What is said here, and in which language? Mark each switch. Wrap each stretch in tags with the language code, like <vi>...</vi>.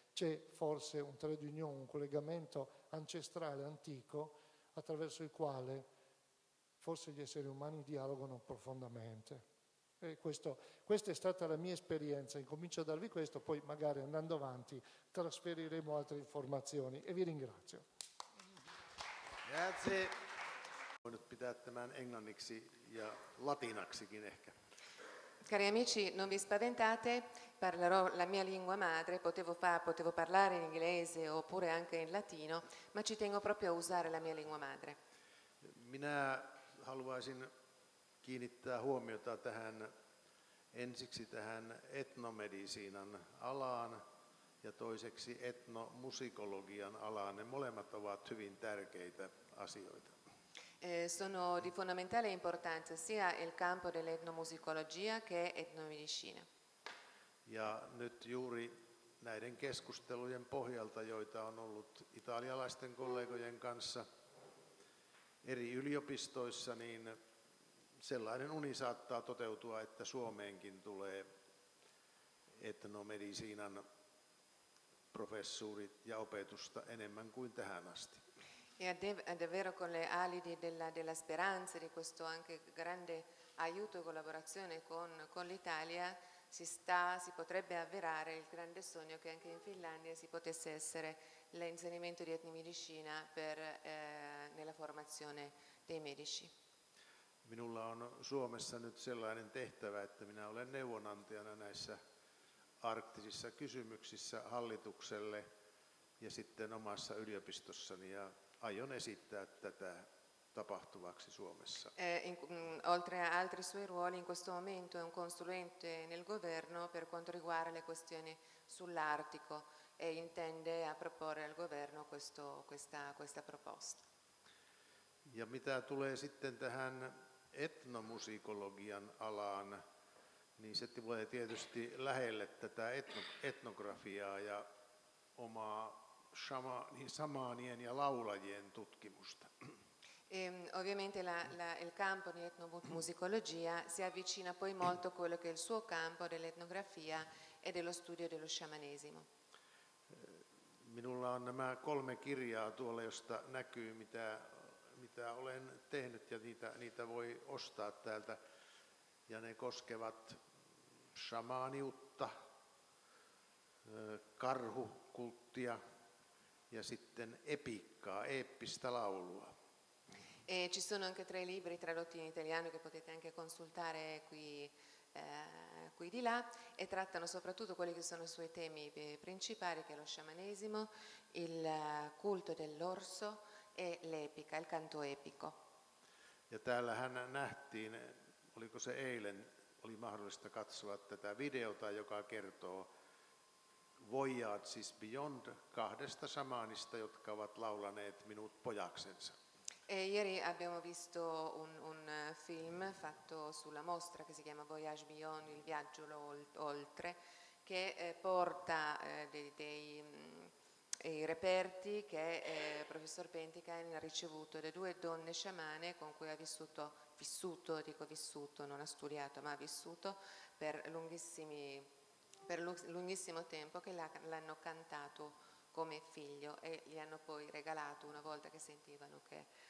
<it>C'è forse un trait d'union, un collegamento ancestrale, antico, attraverso il quale forse gli esseri umani dialogano profondamente. E questa è stata la mia esperienza, incomincio a darvi questo, poi magari andando avanti trasferiremo altre informazioni e vi ringrazio. Grazie.</it> <fi>Voit pitää tämän englanniksi ja latinaksikin ehkä.</fi> <it>Cari amici, non vi spaventate, parlerò la mia lingua madre, potevo parlare in inglese oppure anche in latino, ma ci tengo proprio a usare la mia lingua madre.</it> <fi>Minä haluaisin kiinnittää huomiota tähän ensiksi tähän etnomedisiinan alaan ja toiseksi etnomusikologian alaan. Ne molemmat ovat hyvin tärkeitä asioita.</fi> <it>Sono di fondamentale importanza sia il campo dell'etnomusicologia che etnomedicina.</it> <fi>Ja nyt juuri näiden keskustelujen pohjalta, joita on ollut italialaisten kollegojen kanssa eri yliopistoissa, niin sellainen uni saattaa toteutua, että Suomeenkin tulee etnomedisiinan professuurit ja opetusta enemmän kuin tähän asti.</fi> <it>E davvero con le ali della speranza, di questo anche grande aiuto e collaborazione con l'Italia, si potrebbe avverare il grande sogno che anche in Finlandia si potesse essere l'insegnamento di etnomedicina nella formazione dei medici.</it> <fi>Minulla on Suomessa nyt sellainen tehtävä, että minä olen neuvonantajana näissä arktisissa kysymyksissä hallitukselle ja sitten omassa yliopistossani ja aion esittää tätä tapahtuvaksi Suomessa.</fi> <it>Oltre a altri suoi ruoli, in questo momento è un consulente nel governo per quanto riguarda le questioni sull'Artico e intende a proporre al governo questa proposta.</it> <fi>Ja mitä tulee sitten tähän etnomusikologian alaan, niin se tulee tietysti lähelle tätä etnografiaa ja omaa samaanien ja laulajien tutkimusta.</fi> <it>Ovviamente il campo di etnomusicologia si avvicina poi molto a quello che è il suo campo dell'etnografia e dello studio dello sciamanesimo.</it> <fi>Minulla on nämä kolme kirjaa tuolla, josta näkyy, mitä olen tehnyt, ja niitä voi ostaa täältä. Ja ne koskevat shamaaniutta, karhukulttia ja sitten epiikkaa, eeppistä laulua.</fi> <it>E ci sono anche tre libri tradotti in italiano che potete anche consultare qui di là, e trattano soprattutto quelli che sono i suoi temi principali, che è lo sciamanesimo, il culto dell'orso e l'epica, il canto epico.</it> <fi>Ja täällähän nähtiin, oliko se eilen, oli mahdollista katsoa tätä videota, joka kertoo Voyages Beyond kahdesta shamanista, jotka ovat laulaneet minut pojaksensa.</fi> <it>E ieri abbiamo visto un film fatto sulla mostra che si chiama Voyage Beyond, il viaggio oltre, che porta dei reperti che il professor Pentikäinen ha ricevuto da due donne sciamane con cui ha vissuto per lunghissimo tempo, che l'hanno cantato come figlio e gli hanno poi regalato, una volta che sentivano che</it>